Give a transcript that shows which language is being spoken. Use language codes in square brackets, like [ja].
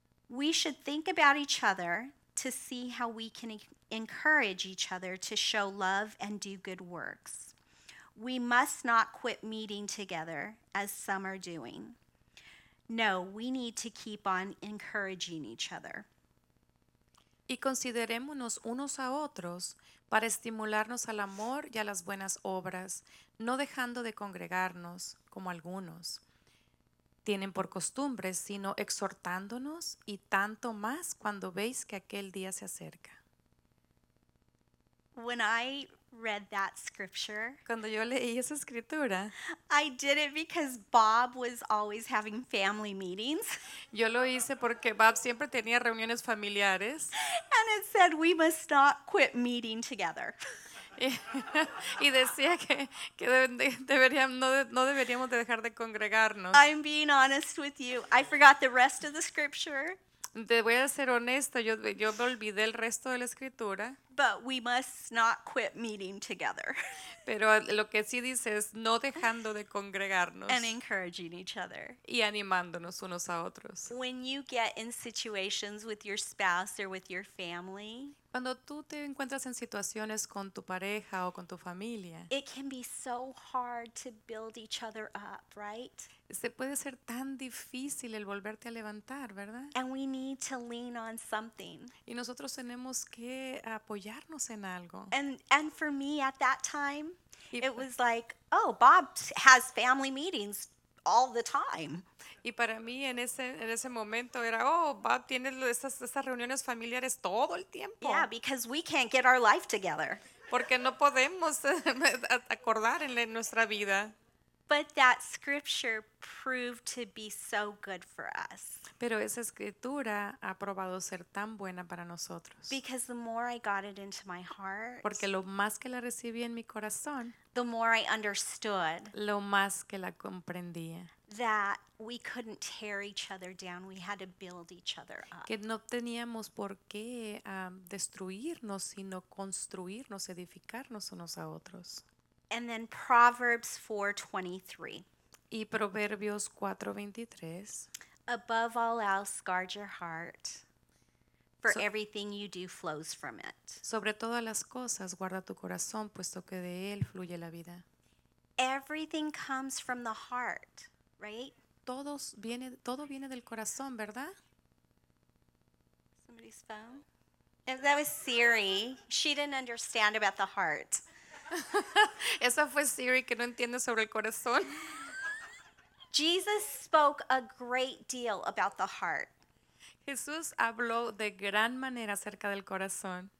[en] We should think about each other to see how we can encourage each other to show love and do good works. We must not quit meeting together as some are doing. No, we need to keep on encouraging each other. [es] Y considerémonos unos a otros para estimularnos al amor y a las buenas obras, no dejando de congregarnos como algunos tienen por costumbre, sino exhortándonos y tanto más cuando veis que aquel día se acerca. [en] When I read that scripture, [es] cuando yo leí esa escritura, [en] I did it because Bob was always having family meetings. [es] Yo lo hice porque Bob siempre tenía reuniones familiares. [en] And it said we must not quit meeting together. [es] Y decía que deberíamos de dejar de congregarnos. [en] I'm being honest with you. I forgot the rest of the scripture. [es] Te voy a ser honesto, yo me olvidé el resto de la escritura. [en] But we must not quit meeting together. [es] Pero lo que sí dice es no dejando de congregarnos. [en] And encouraging each other. [es] Y animándonos unos a otros. [en] When you get in situations with your spouse or with your family, [es] cuando tú te encuentras en situaciones con tu pareja o con tu familia, [en] it can be so hard to build each other up, right? [es] Se puede ser tan difícil el volverte a levantar, ¿verdad? [en] And we need to lean on something. [es] Y nosotros tenemos que apoyarnos en algo. [en] And for me at that time, it was like, oh, Bob has family meetings all the time. [es] Y para mí en ese momento era, oh, Bob tiene esas reuniones familiares todo el tiempo. [en] Yeah, because we can't get our life together. [es] Porque no podemos acordar en nuestra vida. [en] But that scripture proved to be so good for us. [es] Pero esa escritura ha probado ser tan buena para nosotros. [en] Because the more I got it into my heart, [es] porque lo más que la recibí en mi corazón, [en] the more I understood, [es] lo más que la comprendía, [en] that we couldn't tear each other down, we had to build each other up. [es] Que no teníamos por qué destruirnos, sino construirnos, edificarnos unos a otros. [en] And then Proverbs 4:23. [es] Y Proverbios 4:23. [en] Above all else, guard your heart, for everything you do flows from it. [es] Sobre todas las cosas, guarda tu corazón, puesto que de él fluye la vida. [en] Everything comes from the heart, right? [es] Todo viene del corazón, ¿verdad? [en] Somebody's phone. That was Siri. She didn't understand about the heart. [es] Esa fue Siri que no entiende sobre el corazón. [en] Jesus spoke a great deal about the heart. [es] Jesús habló de gran manera acerca del corazón.